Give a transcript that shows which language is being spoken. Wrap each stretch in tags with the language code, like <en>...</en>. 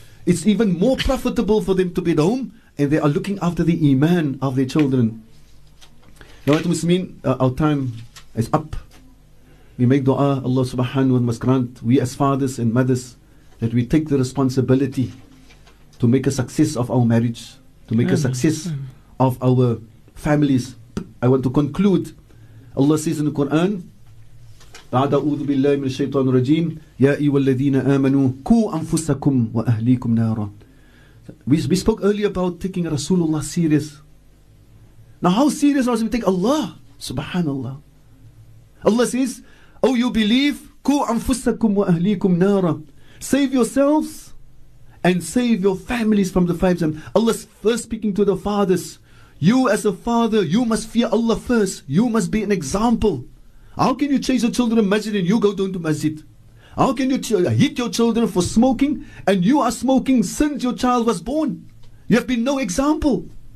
<en>It's even more profitable for them to be at home, and they are looking after the iman of their children. Now, what does this mean? Our time is up. We make dua, Allah subhanahu wa ta'ala must grant we as fathers and mothers that we take the responsibility to make a success of our marriage, to make a success of our families. I want to conclude. Allah says in the Quran,</en> <ar>بعد أعوذ بالله من الشيطان الرجيم يا أيها الذين آمنوا كو أنفسكم وأهليكم نارا.</ar> <en>We spoke earlier about taking Rasulullah serious. Now how serious are we take Allah? Subhanallah. Allah says, oh you believe,</en> <ar>كو أنفسكم وأهليكم نارا.</ar> <en>Save yourselves and save your families from the fires. Allah is first speaking to the fathers. You as a father, you must fear Allah first. You must be an example. How can you chase your children to masjid and you go down to masjid? How can you hit your children for smoking and you are smoking since your child was born? You have been no example.</en>